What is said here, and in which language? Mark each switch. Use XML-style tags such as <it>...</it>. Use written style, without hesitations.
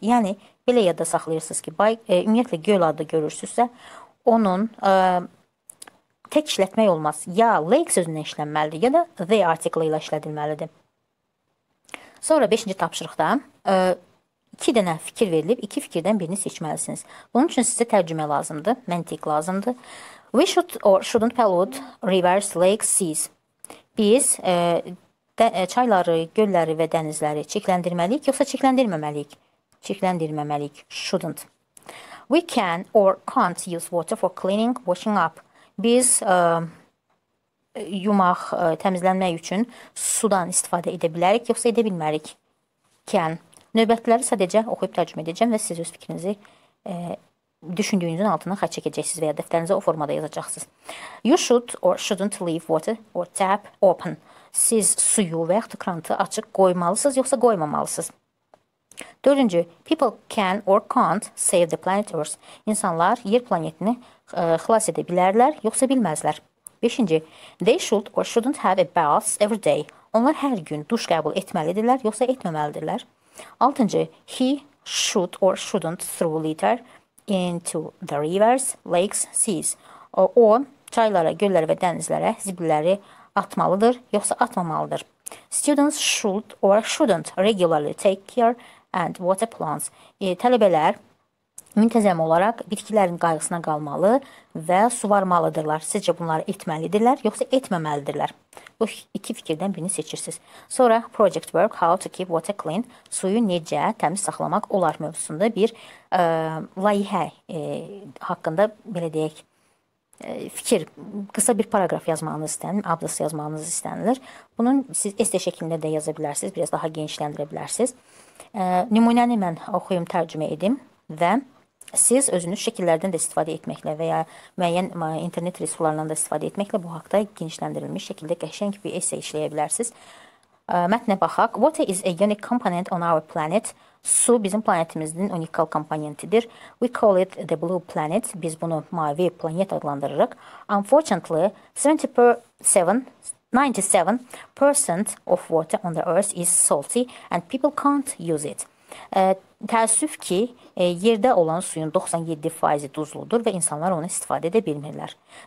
<az>Yəni, belə yadda saxlayırsınız ki, ümumiyyətlə göl adı görürsünüzsə, onun tək işlətmək olmaz. Ya lake sözünə işlənməlidir, ya da the artikli ilə işlədilməlidir. Sonra 5-ci tapşırıqda 2 dənə fikir verilib, 2 fikirdən birini seçməlisiniz. Bunun üçün sizə tərcümə lazımdır, məntiq lazımdır.</az> <en>We should or shouldn't pollute rivers, lakes, seas.</en> <az>Biz çayları, gölləri və dənizləri çirkləndirməliyik, yoxsa çirkləndirməməliyik? Çirkləndirməməliyik, shouldn't.</az> <en>We can or can't use water for cleaning, washing up.</en> <az>Biz yumaq, təmizlənmək üçün sudan istifadə edə bilərik, yoxsa edə bilmərik. Can. Növbətləri sadəcə oxuyub tərcümə edəcəm və siz öz fikrinizi düşündüyünüzün altına xətt çəkəcəksiniz və ya dəftərinizə o formada yazacaqsınız.</az> <en>You should or shouldn't leave water or tap open.</en> <az>Siz suyu və yaxud krantı açıq qoymalısınız, yoxsa qoymamalısınız.</az> <en>Dördüncü, people can or can't save the planet Earth.</en> <az>İnsanlar yer planetini xilas edə bilərlər, yoxsa bilməzlər.</az> <en>Beşinci, they should or shouldn't have a bath every day.</en> <az>Onlar hər gün duş qəbul etməlidirlər, yoxsa etməməlidirlər.</az> <en>Altıncı, he should or shouldn't throw litter into the rivers, lakes, seas.</en> <az>O çaylara, göllərə və dənizlərə zibilləri atmalıdır, yoxsa atmamalıdır.</az> <en>Students should or shouldn't regularly take care and water plants.</en> <az>Tələbələr müntəzəm olaraq bitkilərin qayğısına qalmalı və suvarmalıdırlar. Sizcə bunları etməlidirlər, yoxsa etməməlidirlər? Bu iki fikirdən birini seçirsiniz. Sonra</az> <en>project work, how to keep water clean,</en> <az>suyu necə təmiz saxlamaq olar mövzusunda bir layihə haqqında belə deyək, fikir, qısa bir paraqraf yazmağınız istənilir, abzas yazmağınız istənilir. Bunun siz essay şəklində də yaza bilərsiniz, biraz daha genişləndirə bilərsiniz. Nümunəni mən oxuyum, tərcümə edim və siz özünüz şəkillərdən də istifadə etməklə və ya müəyyən internet resurslarından da istifadə etməklə bu haqda genişləndirilmiş şəkildə qəşəng bir essay işləyə bilərsiniz. Mətnə baxaq.</az> <en>Water is a unique component on our planet.</en> <az>Su bizim planetimizin unikal komponentidir.</az> <en>We call it the blue planet.</en> <az>Biz bunu mavi planet adlandırırıq.</az> <en>Unfortunately, 97% of water on the earth is salty and people can't use it.</en> <az>Təəssüf ki, yerdə olan suyun 97% duzludur və insanlar onu istifadə edə bilmirlər.</az>